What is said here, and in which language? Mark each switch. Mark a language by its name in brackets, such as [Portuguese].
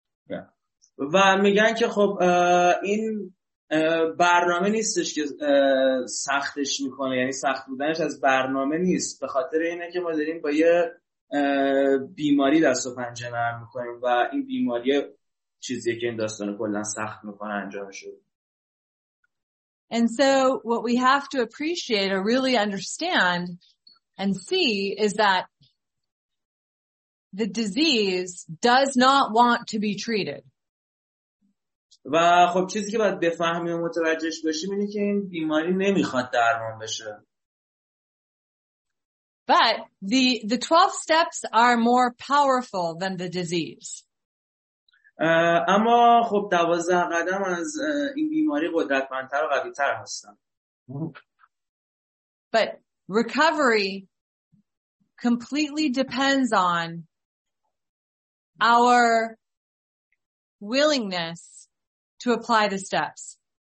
[Persian] Yeah. و میگن که خب این برنامه نیستش که سختش میکنه، یعنی سخت بودنش از برنامه نیست، به خاطر اینه که ما داریم با یه بیماری دست و پنجه نرم میکنیم و این بیماری چیزیه که این داستان کلا سخت میکنه انجام شد. [English] And so what we have to appreciate or really understand and see is that the disease does not want to be treated. [Persian] و خب چیزی که باید بفهمیم و متوجهش بشیم اینه که این بیماری نمیخواد درمان بشه. [English] But the 12 steps are more powerful than the disease. [Persian] اما خب 12 قدم از این بیماری قدرتمندتر و قوی‌تر هستن. [English] But recovery completely depends on our willingness to apply the steps.